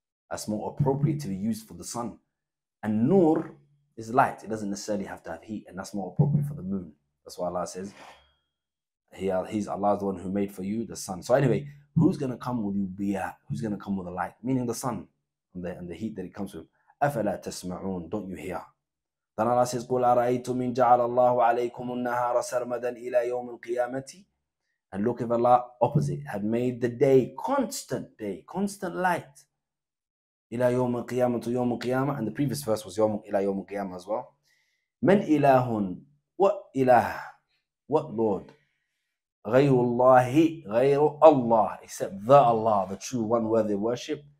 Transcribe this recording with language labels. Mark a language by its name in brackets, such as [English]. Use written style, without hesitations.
[English] That's more appropriate to be used for the sun. And nur is light. It doesn't necessarily have to have heat, and that's more appropriate for the moon. That's why Allah says, He's Allah, the one who made for you the sun. So anyway, who's going to come with you biya? Who's going to come with the light? Meaning the sun and the heat that it comes with. [Arabic] أَفَلَا تَسْمَعُونَ, [English] don't you hear? [Arabic] Then Allah says, قُلْ أَرَأَيْتُمْ إِنْ جَعَلَ اللَّهُ عَلَيْكُمُ النَّهَارَ سَرْمَدًا إِلَى يَوْمِ الْقِيَامَةِ. [English] And look, if Allah, opposite, had made the day, constant light. [Arabic] إِلَى يَوْمِ الْقِيَامَةِ, to يَوْمِ الْقِيَامَةِ. [English] And the previous verse was [Arabic] يَوْمُ إِلَى يَوْمِ الْقِيَامَةِ [English] as well. [Arabic] مَنْ إِلَهٌ, [English] what إِلَه, what Lord? [Arabic] غَيْرُ اللَّهِ, غَيْرُ [English] Allah, except the Allah, the true one worthy worship.